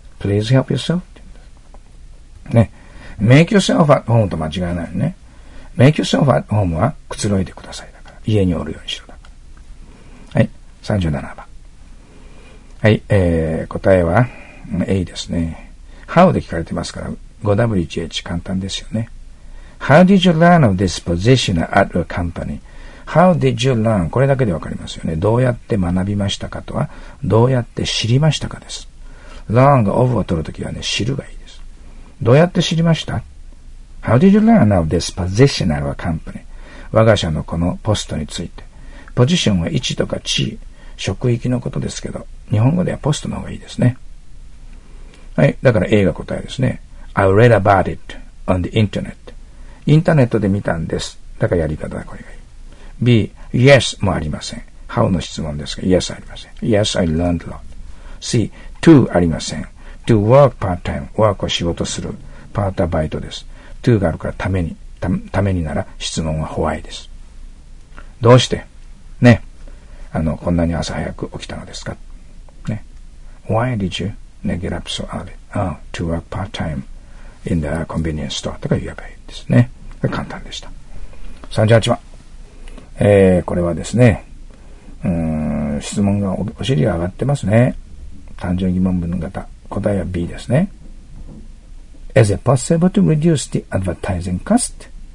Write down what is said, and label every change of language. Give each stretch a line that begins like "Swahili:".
English: Please help yourself
Japanese: って言うんです、ね、
English: Make yourself at home
Japanese: と間違えないよね。
English: Make yourself at home
Japanese: はくつろいでくださいだから、家におるようにしろだから。はい、37番はい、答えは A ですね。 How で聞かれてますから 5WHH 簡単ですよね。
English: How did you learn of this position at a companyHow did you learn?
Japanese: これだけでわかりますよね。どうやって学びましたかとは、どうやって知りましたかです。 learn が of を取るときはね、知るがいいです。どうやって知りました ?
English: How did you learn of this position at our company?
Japanese: 我が社のこのポストについて。ポジションは位置とか地位、職域のことですけど、日本語ではポストの方がいいですね。はい、だから A が答えですね。
English: I read about it on the internet.
Japanese: インターネットで見たんです。だからやり方はこれがいい。 B, yes もありません。How の質問ですが、yes ありません。
English: Yes, I learned a lot.
Japanese: C, to ありません。
English: To work part-time.
Japanese: Work は仕事する。Part はバイトです。 To があるからために。ためになら質問は why です。どうしてね。こんなに朝早く起きたのですかね。
English: Why did you、ね、get up so early? Oh, to work part-time in the convenience store.
Japanese: とか言えばいいですね。簡単でした。38番。これはですね、質問がお尻が上がってますね。単純疑問文型、答えは B ですね。
English: Is it possible to reduce the advertising cost?